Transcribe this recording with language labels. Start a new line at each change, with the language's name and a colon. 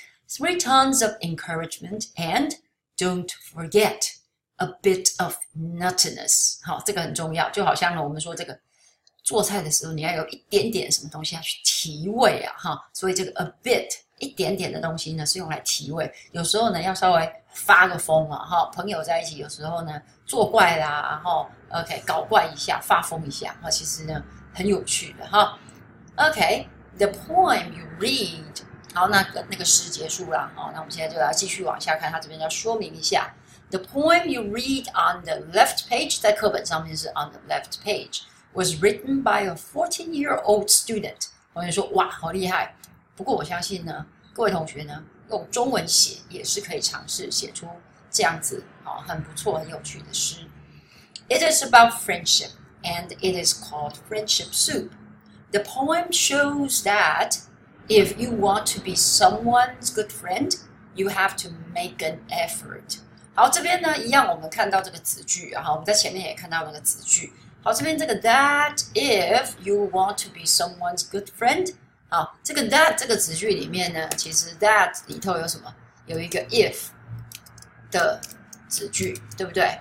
English: Three tons of encouragement and don't forget a bit of nuttiness.
Chinese: 好，这个很重要。就好像呢，我们说这个。做菜的时候你要有一点点什么东西要去提味啊哈，所以这个 a bit 一点点的东西呢是用来提味，有时候呢要稍微发个疯啊哈，朋友在一起有时候呢作怪啦然后 OK 搞怪一下发疯一下哈，其实呢很有趣的哈。
English: OK the poem you read
Chinese: 好，那个诗结束啦哈，那我们现在就要继续往下看，他这边要说明一下
English: the poem you read on the left page
Chinese: 在课本上面是
English: on the left pageWas written by a 14-year-old student.
Chinese: 同学说：“哇，好厉害！” 不过我相信呢，各位同学呢，用中文写也是可以尝试写出这样子很不错、很有趣的诗。
English: It is about friendship, and it is called Friendship Soup. The poem shows that if you want to be someone's good friend, you have to make an effort.
Chinese: 好，这边呢，一样我们看到这个子句，然后我们在前面也看到那个子句。好，这边这个
English: that if you want to be someone's good friend，
Chinese: 好，这个 that 这个子句里面呢，其实 that 里头有什么？有一个 if 的子句，对不对？